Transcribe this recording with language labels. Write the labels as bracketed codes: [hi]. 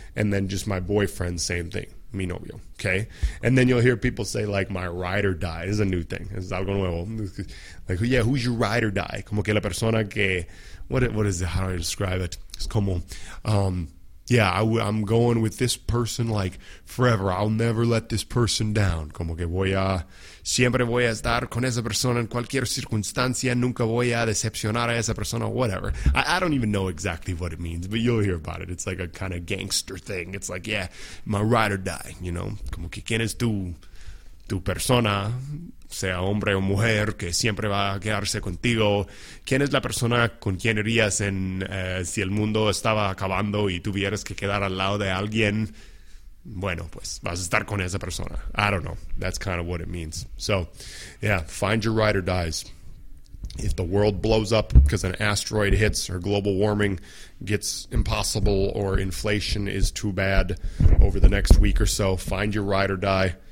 [en] And then just my boyfriend, same thing, [es] mi novio, [en] okay? And then you'll hear people say, like, my ride or die. This is a new thing. [es] Es algo nuevo. [en] Like, yeah, who's your ride or die? [es] Como que la persona que, [en] what is it? How do I describe it? [es] Es como, [en] yeah, I'm going with this person like forever. I'll never let this person down. [es] Como que voy a, siempre voy a estar con esa persona en cualquier circunstancia. Nunca voy a decepcionar a esa persona, whatever. [en] I don't even know exactly what it means, but you'll hear about it. It's like a kind of gangster thing. It's like, yeah, my ride or die, you know? [es] Como que quién es tu persona, sea hombre o mujer, que siempre va a quedarse contigo. ¿Quién es la persona con quien irías en si el mundo estaba acabando y tuvieras que quedar al lado de alguien? Bueno, pues vas a estar con esa persona. [en] I don't know. That's kind of what it means. So, yeah, find your ride or dies. if the world blows up because an asteroid hits or global warming gets impossible or inflation is too bad over the next week or so, find your ride or die.